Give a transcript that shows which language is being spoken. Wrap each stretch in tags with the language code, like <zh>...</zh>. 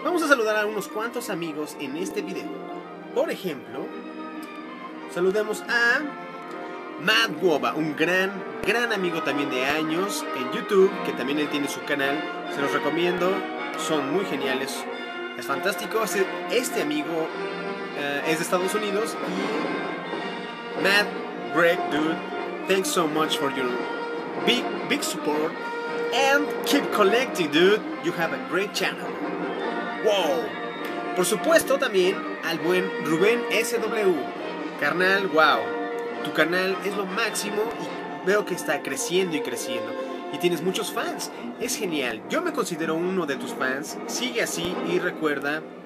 <es>Vamos a saludar a unos cuantos amigos en este video. Por ejemplo, saludemos a Matt Woba, un gran, gran amigo también de años en YouTube, que también él tiene su canal. Se los recomiendo, son muy geniales, es fantástico. Este amigo es de Estados Unidos.</es> <en>Y Matt, Greg, dude, thanks so much for your big, big support. And keep collecting, dude, you have a great channel. Wow.</en> <es>Por supuesto, también al buen Rubén SW. Carnal, wow, tu canal es lo máximo y veo que está creciendo y creciendo. Y tienes muchos fans. Es genial. Yo me considero uno de tus fans. Sigue así y recuerda,</es>